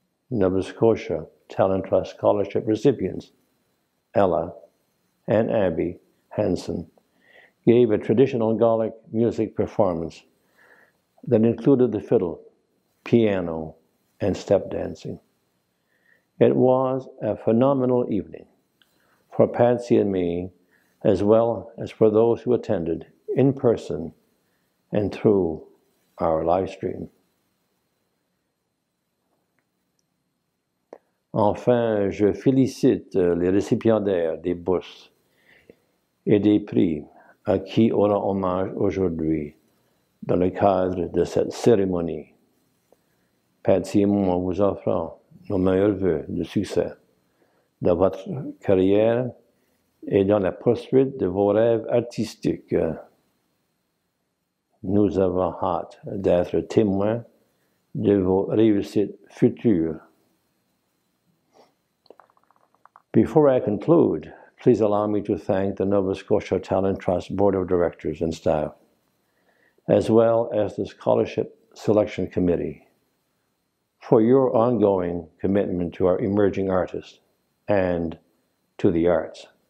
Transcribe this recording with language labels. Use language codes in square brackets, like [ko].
[en] Nova Scotia Talent Trust scholarship recipients Ella and Abby Hansen gave a traditional Gaelic music performance that included the fiddle, piano, and step dancing. It was a phenomenal evening for Patsy and me, as well as for those who attended in person and through our live stream. [fr] Enfin, je félicite les récipiendaires des bourses et des prix à qui aura hommage aujourd'hui dans le cadre de cette cérémonie. Patsy et moi vous offrons nos meilleurs vœux de succès dans votre carrière et dans la poursuite de vos rêves artistiques. Nous avons hâte d'être témoins de vos réussites futures. [en] Before I conclude, please allow me to thank the Nova Scotia Talent Trust Board of Directors and staff, as well as the Scholarship Selection Committee, for your ongoing commitment to our emerging artists and to the arts.